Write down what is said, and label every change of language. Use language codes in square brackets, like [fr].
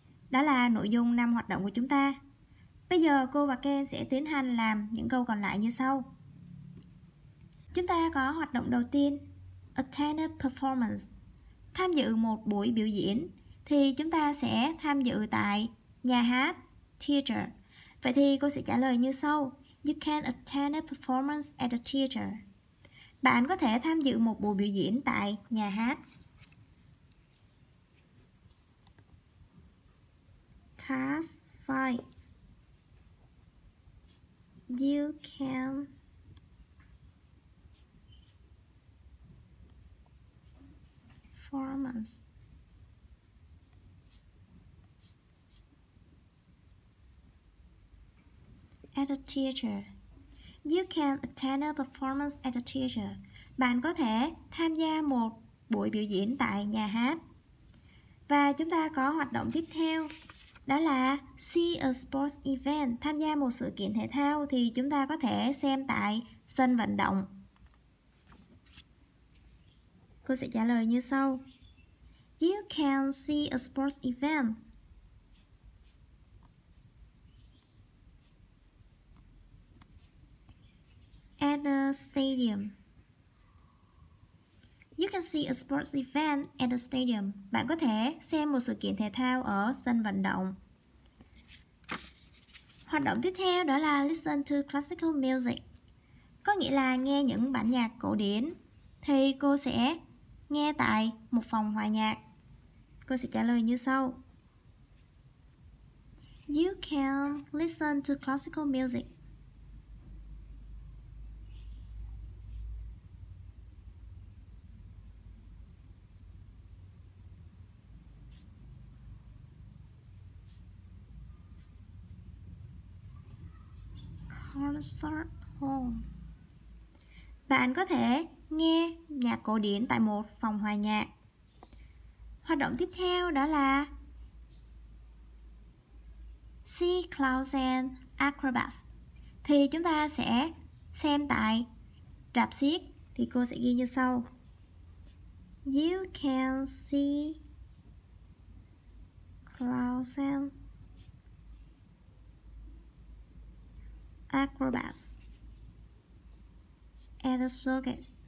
[vi] Đó là nội dung 5 hoạt động của chúng ta. Bây giờ cô và Kem sẽ tiến hành làm những câu còn lại như sau. Chúng ta có hoạt động đầu tiên, [en] attend a performance, [vi] tham dự một buổi biểu diễn, thì chúng ta sẽ tham dự tại nhà hát, theater. Vậy thì cô sẽ trả lời như sau. [en] You can attend a performance at a theater. [vi] Bạn có thể tham dự một buổi biểu diễn tại nhà hát. [en] Task 5. You can performance at a theater. You can attend a performance at a theater. [vi] Bạn có thể tham gia một buổi biểu diễn tại nhà hát. Và chúng ta có hoạt động tiếp theo. Đó là [en] see a sports event, [vi] tham gia một sự kiện thể thao, thì chúng ta có thể xem tại sân vận động. Cô sẽ trả lời như sau. [en] You can see a sports event at a stadium. You can see a sports event at a stadium. [vi] Bạn có thể xem một sự kiện thể thao ở sân vận động. Hoạt động tiếp theo đó là [en] listen to classical music, [vi] có nghĩa là nghe những bản nhạc cổ điển. Thì cô sẽ nghe tại một phòng hòa nhạc. Cô sẽ trả lời như sau. [en] You can listen to classical music concert hall. [vi] Bạn có thể nghe nhạc cổ điển tại một phòng hòa nhạc. Hoạt động tiếp theo đó là [en] see clowns and acrobats, [vi] thì chúng ta sẽ xem tại rạp xiếc. Thì cô sẽ ghi như sau. [en] You can see clowns and acrobats at the circuit.